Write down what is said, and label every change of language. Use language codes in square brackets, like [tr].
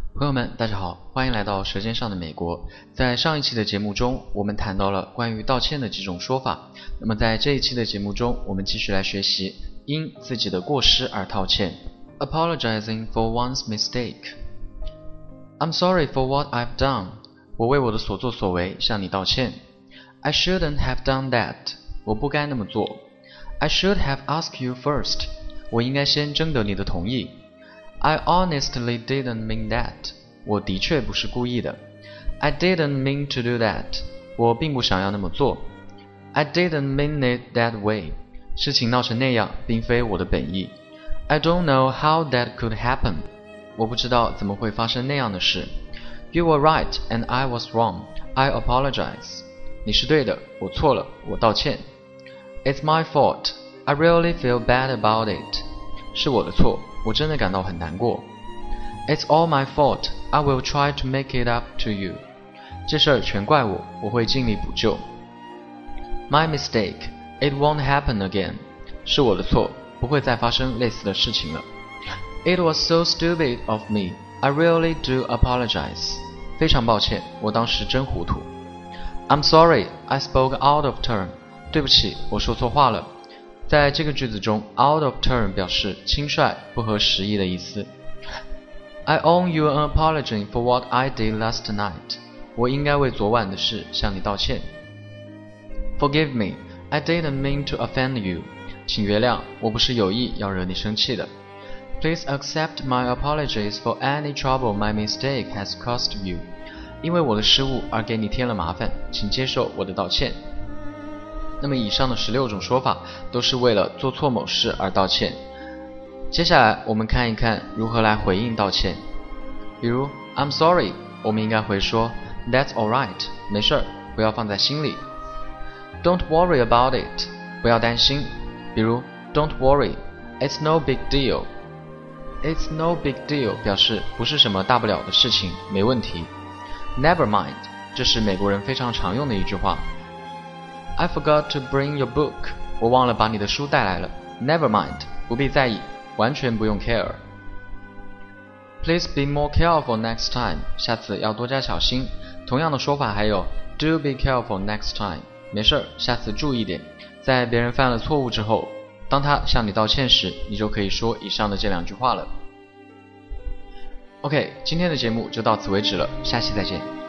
[zh] 友们，大家好，欢迎来到舌尖上的美国。在上一期的节目中，我们谈到了关于道歉的几种说法。那么在这一期的节目中，我们继续来学习因自己的过失而道歉。 [en] Apologizing for one's mistake. I'm sorry for what I've done. [zh] 我为我的所作所为向你道歉。 [en] I shouldn't have done that. [zh] 我不该那么做。 [en] I should have asked you first. [zh] 我应该先征得你的同意。 [en] I honestly didn't mean that. [zh] 我的确不是故意的。 [en] I didn't mean to do that. [zh] 我并不想要那么做。 [en] I didn't mean it that way. [zh] 事情闹成那样并非我的本意。 [en] I don't know how that could happen. [zh] 我不知道怎么会发生那样的事。 [en] You were right and I was wrong. I apologize. [zh] 你是对的，我错了，我道歉。 [en] It's my fault. I really feel bad about it. [zh] 是我的错。我真的感到很难过。 [en] It's all my fault. I will try to make it up to you. [zh] 这事儿全怪我，我会尽力补救。 [en] My mistake. It won't happen again. [zh] 是我的错，不会再发生类似的事情了。 [en] It was so stupid of me. I really do apologize. [zh] 非常抱歉，我当时真糊涂。 [en] I'm sorry. I spoke out of turn. [zh] 对不起，我说错话了。在这个句子中 out of turn 表示轻率不合时宜的意思。 [en] I owe you an apology for what I did last night. [zh] 我应该为昨晚的事向你道歉。 [en] Forgive me, I didn't mean to offend you. [zh] 请原谅，我不是有意要惹你生气的。 [en] Please accept my apologies for any trouble my mistake has caused you. [zh] 因为我的失误而给你添了麻烦，请接受我的道歉。那么以上的16种说法都是为了做错某事而道歉。接下来我们看一看如何来回应道歉。比如 [en] I'm sorry, [zh] 我们应该回说 [en] That's alright, [zh] 没事，不要放在心里。 [en] Don't worry about it, [zh] 不要担心。 比如 [en] Don't worry, it's no big deal. It's no big deal [zh] 表示不是什么大不了的事情，没问题。 [en] Never mind, [zh] 这是美国人非常常用的一句话。 [en] I forgot to bring your book. [zh] 我忘了把你的书带来了。 [en] Never mind. [zh] 不必在意，完全不用 care. [en] Please be more careful next time. [zh] 下次要多加小心。同样的说法还有 [en] Do be careful next time. [zh] 没事，下次注意点。在别人犯了错误之后，当他向你道歉时，你就可以说以上的这两句话了。OK, 今天的节目就到此为止了，下期再见。